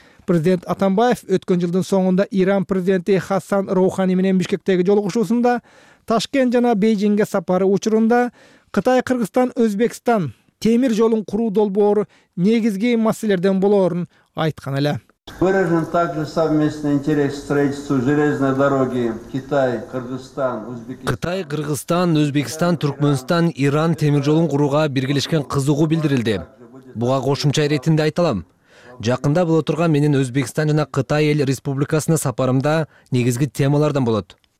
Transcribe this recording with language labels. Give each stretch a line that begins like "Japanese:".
Kyrgyz: Президент Атамбаев өткөн жылдын соңунда Иран президенти Хасан Роухани менен Бишкектеги жолугушуусунда Ташкент жана Бейжинге сапары учурунда Кытай, Кыргызстан, Өзбекстан темир жолун куруу долбоору негизги маселелерден болорун айткан эле.
Russian: Выражен также совместный интерес к строительству железной дороги
Kyrgyz: Кытай, Кыргызстан, Өзбекстан, Түркмөнстан, Иран темир жолун курууга биргелешкен кызыгуу билдирилди. Буга кошумча иретинде айталам. Жакында боло турган менин Өзбекстан жана Кытай эл республикасына сапарымда негизги темалардан болот.